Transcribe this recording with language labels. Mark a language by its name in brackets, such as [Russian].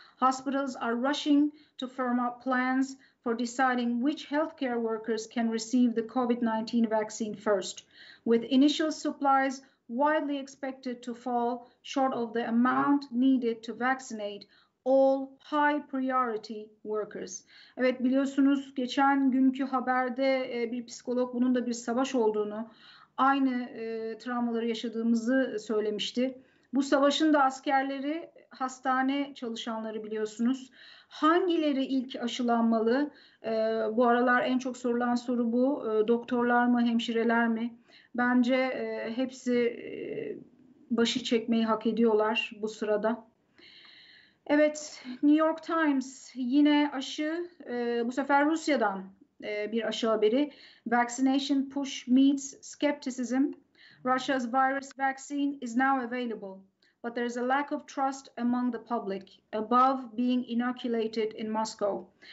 [English] Hospitals are rushing to firm up plans for deciding which healthcare workers can receive the COVID-19 vaccine first, with initial supplies widely expected to fall short of the amount needed to vaccinate all high priority workers. [Turkish] Evet, biliyorsunuz geçen günkü haberde bir psikolog bunun da bir savaş olduğunu, aynı travmaları yaşadığımızı söylemişti. Bu savaşın da askerleri, hastane çalışanları biliyorsunuz. Hangileri ilk aşılanmalı? Bu aralar en çok sorulan soru bu. Doktorlar mı, hemşireler mi? Bence hepsi başı çekmeyi hak ediyorlar bu sırada. Evet, New York Times yine aşı, bu sefer Rusya'dan bir aşı haberi. [English] Vaccination push meets skepticism. Russia's virus vaccine is now available, but there is a lack of trust among the public above being inoculated in Moscow.